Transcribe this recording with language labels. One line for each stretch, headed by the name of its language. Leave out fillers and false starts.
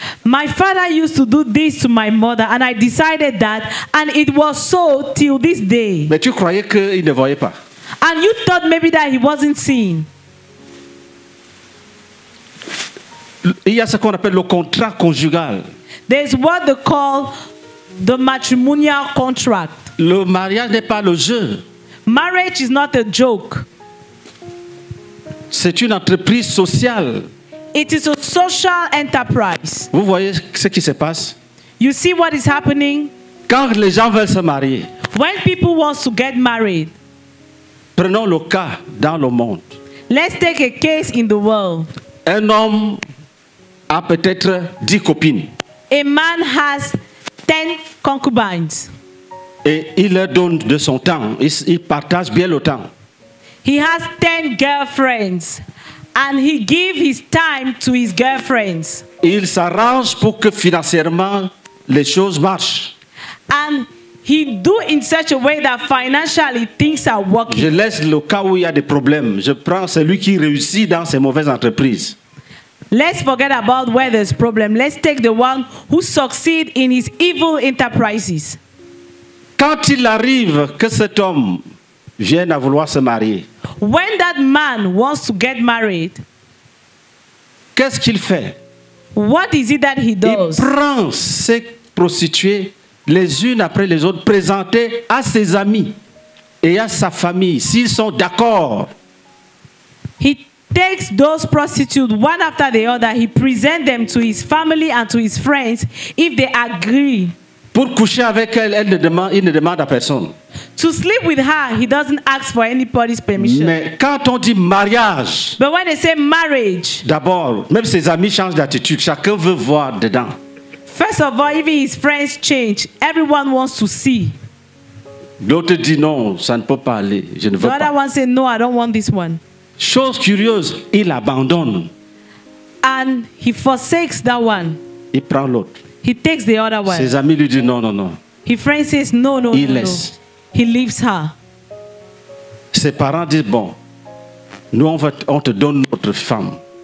English: My father used to do this to my mother, and I decided that, and it was so till this day.
French: Mais tu croyais qu'il ne voyait pas.
English: And you thought maybe that he wasn't seen.
French: Il y a ce qu'on appelle le contrat conjugal.
English: There's what they call the matrimonial contract.
French: Le mariage n'est pas le jeu.
English: Marriage is not a joke.
French: C'est une entreprise sociale.
English: It is a social enterprise.
French: Vous voyez ce qui se passe?
English: You see what is happening?
French: Quand les gens veulent se marier.
English: When people want to get married.
French: Prenons le cas dans le monde.
English: Let's take a case in the world.
French: Un homme a peut-être 10 copines.
English: A man has 10 concubines.
French: Et il leur donne de son temps. Il partage bien le temps.
English: He has 10 girlfriends. And he gives his time to his girlfriends.
French: Il s'arrange pour que financièrement les choses marchent.
English: And he do in such a way that financially things are working.
French: Je laisse le cas où il y a des problèmes. Je prends celui qui réussit dans ces mauvaises entreprises.
English: Let's forget about where there's problem. Let's take the one who succeed in his evil enterprises.
French: Quand il arrive que cet homme vienne à vouloir se marier.
English: When that man wants to get married.
French: Qu'est-ce qu'il fait?
English: What is it that he does?
French: Il prend ses prostituées les unes après les autres, présentées à ses amis et à sa famille, s'ils sont d'accord.
English: He takes those prostitutes one after the other. He presents them to his family and to his friends if they agree.
French: Pour coucher avec elle, il ne demande à personne.
English: To sleep with her, he doesn't ask for anybody's permission.
French: Mais quand on dit mariage,
English: but when they say marriage,
French: d'abord, même ses amis changent d'attitude. Chacun veut voir dedans.
English: First of all, even his friends change. Everyone wants to see.
French: L'autre dit non, ça ne peut pas aller. Je ne veux pas.
English: The other one says no, I don't want this one.
French: Chose curieuse, il abandonne.
English: And he forsakes that one.
French: Il prend l'autre.
English: He takes the other one.
French: Ses amis lui disent non, non, non.
English: His friend says no, no,
French: il
English: no,
French: laisse.
English: No. He leaves her.
French: Ses parents disent bon, nous on te donne notre femme.